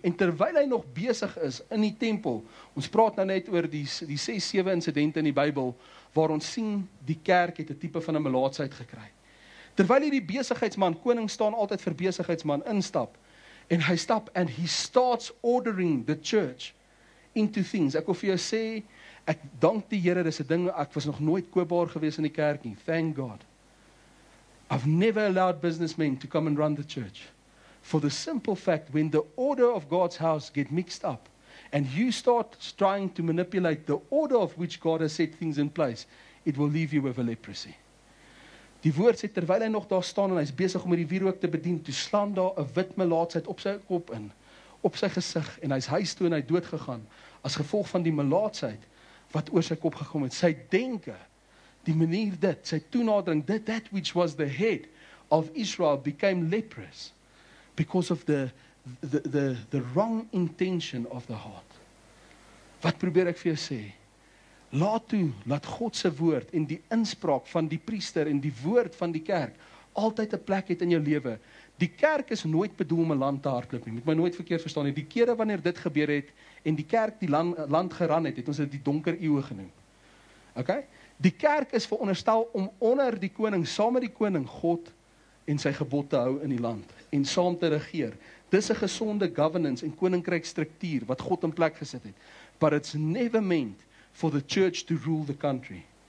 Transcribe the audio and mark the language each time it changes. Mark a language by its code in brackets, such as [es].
[af] En terwyl hy nog besig is in die tempel, ons praat nou net oor die 6-7 incidente in die Bybel, waar ons sien die kerk het 'n tipe van 'n melaatsheid gekry. Terwyl hierdie besigheidsman, koning staan altyd vir besigheidsman, instap, en hy stap, [en] and he starts ordering the church into things. [af] Ek wil vir jou sê, ek dank die Here, dis 'n ding, ek was nog nooit koopbaar gewees in die kerk nie, [en] thank God. I've never allowed businessmen to come and run the church. For the simple fact, when the order of God's house get mixed up, and you start trying to manipulate the order of which God has set things in place, it will leave you with a leprosy. [af] Die woord sê, terwyl hy nog daar staan en hy is besig om die wierook te bedien, toe slaan daar 'n wit melaatsheid op sy kop in, op sy gesig, en hy is huis toe en hy dood gegaan, as gevolg van die melaatsheid wat oor sy kop gekom het. Sy denke, die manier dit, sy toenadering, [en] that which was the head of Israel became leprous because of the wrong intention of the heart. [af] Wat probeer ek vir jou sê? Laat toe, laat God se woord en die inspraak van die priester en die woord van die kerk altyd 'n plek het in jou lewe. Die kerk is nooit bedoel om 'n land te hardloop nie. Moet my nooit verkeerd verstaan nie. Die kere wanneer dit gebeur het en die kerk die land geran het, het ons dit die donker eeue genoem. Okay? Die kerk is veronderstel om onder die koning, saam met die koning God en sy gebod te hou in die land en saam te regeer. Dis 'n gesonde governance en koninkrykstruktuur wat God in plek gesit het. [en] But it's never meant for the church to rule the country.